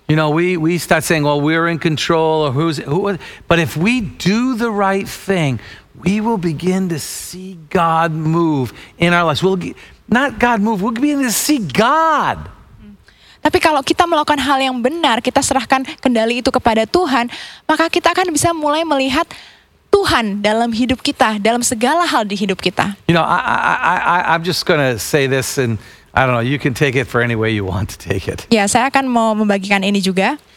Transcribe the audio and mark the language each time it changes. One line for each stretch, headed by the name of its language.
English: You know, we start saying, well, we're in control, or who's, but if we do the right thing, we will begin to see God move in our lives. We'll begin to see God.
Indonesian: Tapi kalau kita melakukan hal yang benar, kita serahkan kendali itu kepada Tuhan, maka kita akan bisa mulai melihat Tuhan dalam hidup kita, dalam segala hal di hidup kita.
English: You know, I'm just gonna say this, and I don't know, you can take it for any way you want to take it.
Indonesian: Ya, saya akan mau membagikan ini juga.